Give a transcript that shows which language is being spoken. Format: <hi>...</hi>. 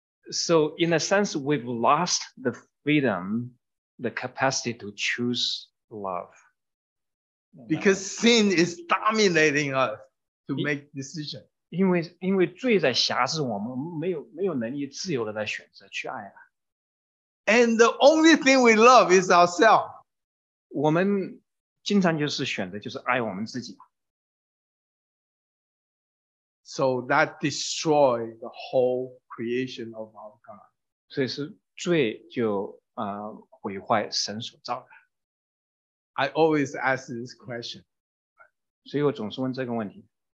<en>So in a sense, we've lost the freedom, the capacity to choose love. Because sin is dominating us to make decisions.</en> <zh>因为罪在辖制我们，没有能力自由的来选择去爱啊。</zh> <en>And the only thing we love is ourselves.</en> <zh>我们经常就是选择就是爱我们自己。</zh> <en>So that destroys the whole creation of our God.</en> <zh>所以是罪就毁坏神所造的。</zh> <en>I always ask this question.</en> <zh>所以我总是问这个问题。</zh>